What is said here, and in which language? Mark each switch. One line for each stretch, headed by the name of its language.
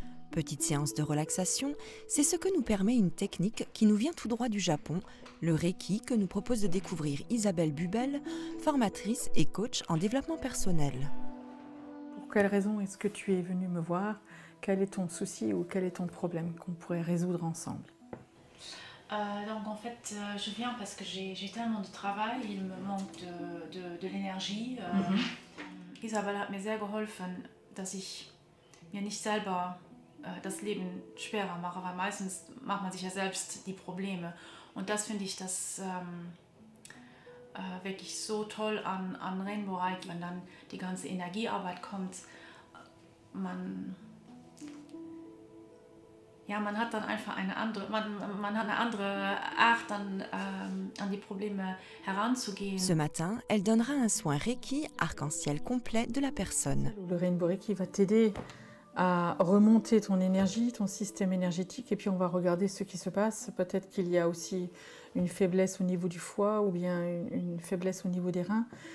French: Petite séance de relaxation, c'est ce que nous permet une technique qui nous vient tout droit du Japon, le Reiki, que nous propose de découvrir Isabelle Bubel, formatrice et coach en développement personnel. Pour quelle raison est-ce que tu es venue me voir ? Quel est ton souci ou quel est ton problème qu'on pourrait résoudre ensemble ? Donc en fait, je viens parce que j'ai tellement de travail, il me manque de l'énergie.
German: Isabelle hat mir sehr geholfen, dass ich mir nicht selber das Leben schwerer mache, weil meistens macht man sich ja selbst die Probleme. Und das finde ich das wirklich so toll an Rainbow Reiki, wenn dann die ganze Energiearbeit kommt, man hat dann einfach eine andere Art, dann an die Probleme heranzugehen.
French: Ce matin, elle donnera un soin Reiki arc-en-ciel complet de la personne. Le Rainbow Reiki va t'aider à remonter ton énergie, ton système énergétique, et puis on va regarder ce qui se passe. Peut-être qu'il y a aussi une faiblesse au niveau du foie ou bien une faiblesse au niveau des reins.